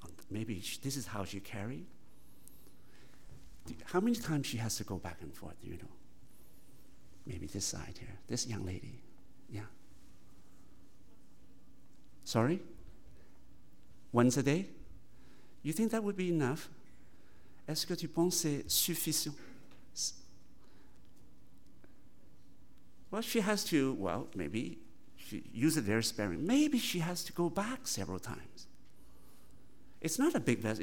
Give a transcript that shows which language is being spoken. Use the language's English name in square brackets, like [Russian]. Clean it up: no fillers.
[English] This is how she carried. How many times she has to go back and forth, you know? Maybe this side here, this young lady. Yeah. Sorry? Once a day? You think that would be enough? [French] Est-ce que tu penses suffisant? [English] Well, she has to, well, maybe she use it very sparingly. Maybe she has to go back several times. It's not a big vessel.